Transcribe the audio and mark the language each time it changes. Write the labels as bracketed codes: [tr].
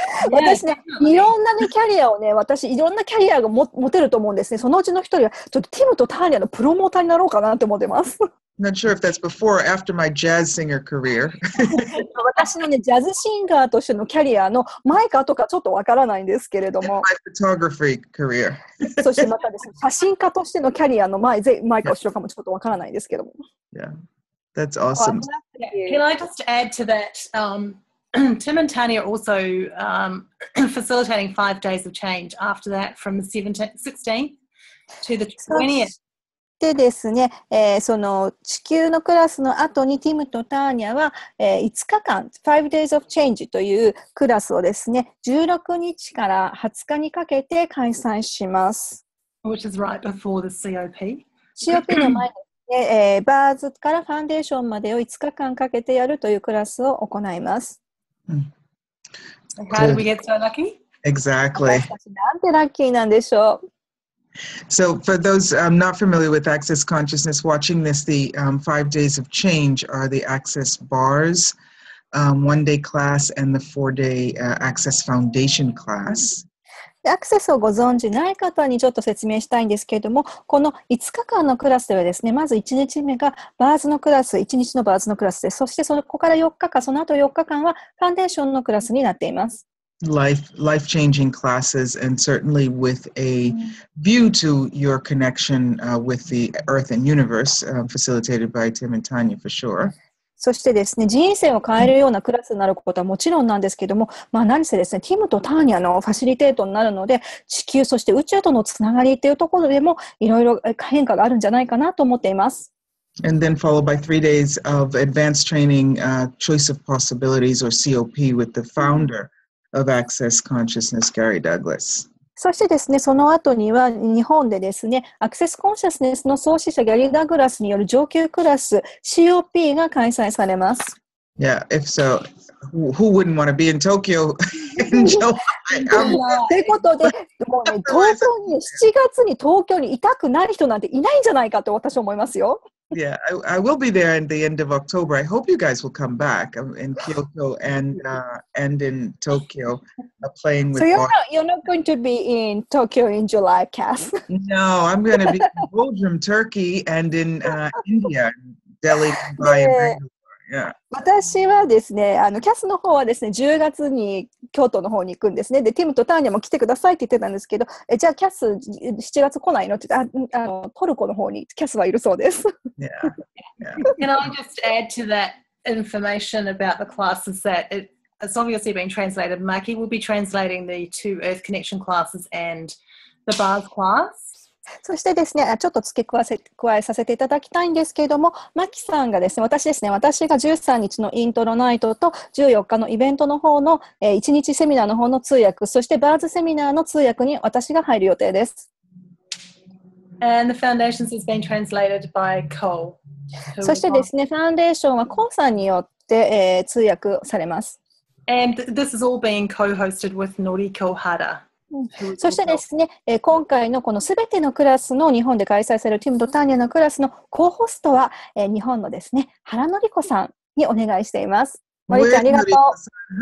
[ja] 私ね、いろんなねキャリアをね、私いろんなキャリアが持てると思うんですね。そのうちの一人はちょっとTim&Tanyaのプロモーターになろうかなって思ってます。 [en] Not sure if that's before or after my jazz singer career. [ja] 私のね、ジャズシンガーとしてのキャリアの前か後かちょっとわからないんですけれども。 [en] And my photography career. [ja] そしてまたですね、写真家としてのキャリアの前か後ろかもちょっとわからないんですけども。 [en] Yeah, that's awesome. Can I just add to that? Tim and Tanya are also facilitating 5 days of change after that from the 16th to the 20th. [ja] でですね、その地球のクラスの後にティムとターニャは、5日間 5 days of change というクラスをですね、16日から20日にかけて開催します。 [en] Which is right before the COP. [ja] COP の前に、ね、バーズからファンデーションまでを5日間かけてやるというクラスを行います。 [en] How did we get so lucky? Exactly. [ja] 私たちなんてラッキーなんでしょう。 [en] So for those not familiar with Access Consciousness watching this, the 5 days of change are the Access Bars, one-day class, and the four-day Access Foundation class. [ja] アクセスをご存じない方にちょっと説明したいんですけれども、この5日間のクラスではですね、まず1日目がバーズのクラス、1日のバーズのクラスで、そしてそこから4日間、その後4日間はファンデーションのクラスになっています。 [en] Life-changing classes, and certainly with a view to your connection with the Earth and Universe, facilitated by Tim and Tanya, for sure. [ja] そしてですね、人生を変えるようなクラスになることはもちろんなんですけども、まあ何せですね、Tim とTanyaのファシリテートになるので、地球そして宇宙とのつながりというところでもいろいろ変化があるんじゃないかなと思っています。 [en] And then followed by 3 days of advanced training, Choice of Possibilities or COP with the founder. of Access Consciousness, Gary Douglas. [ja] そしてですね、その後には日本でですね、アクセスコンシャスネスの創始者ギャリー・ダグラスによる上級クラス COP が開催されます。 [en] Yeah, if so, who wouldn't want to be in Tokyo in July? [ja] ということで、もうね、東京に7月に東京にいたくない人なんていないんじゃないかと私は思いますよ。 [en] Yeah, I will be there in the end of October. I hope you guys will come back in Kyoto and in Tokyo playing with So you're not going to be in Tokyo in July, Kass. No, I'm going to be in Bodrum, Turkey and in India, Delhi, Mumbai, and Bangalore. [ja] Yeah. 私はですね、Kass の方はですね、10月に京都の方に行くんですね。で、Tim と Tanya も来てくださいって言ってたんですけど、じゃあ Kass 7月来ないのって言って、トルコの方に Kass はいるそうです。 [en] Yeah. Can I just add to that information about the classes that it's obviously been translated? Maki will be translating the two Earth Connection classes and the Bars class. [ja] そしてですね、ちょっと付け加えさせていただきたいんですけれども、マキさんがですね、私ですね、私が13日のイントロナイトと14日のイベントの方の、1日セミナーの方の通訳、そしてバーズセミナーの通訳に私が入る予定です。 [en] And the foundations has been translated by Cole. [ja] そしてですね、ファンデーションはコウさんによって、通訳されます。 [en] And this is all being co-hosted with Noriko Hara. [ja] そしてですね、今回のこのすべてのクラスの日本で開催されるティムとタニアのクラスのコーホストは、日本のですね、原のりこさんにお願いしています。のりこちゃん、ありがとう。